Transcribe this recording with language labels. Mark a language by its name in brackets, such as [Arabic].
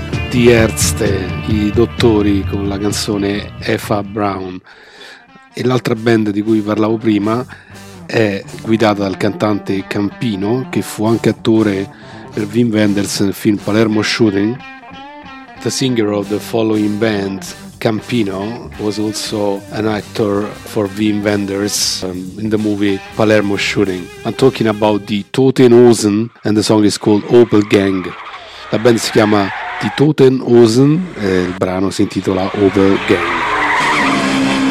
[Italian] di Ärzte, i Dottori, con la canzone Eva Braun. E l'altra band di cui parlavo prima è guidata dal cantante Campino, che fu anche attore per Wim Wenders nel film Palermo Shooting. [English] The singer of the following band, Campino, was also an actor for Wim Wenders in the movie Palermo Shooting. I'm talking about the Toten Hosen, and the song is called Opel Gang. [Italian] La band si chiama Die Toten Hosen e il brano si intitola Opel Gang.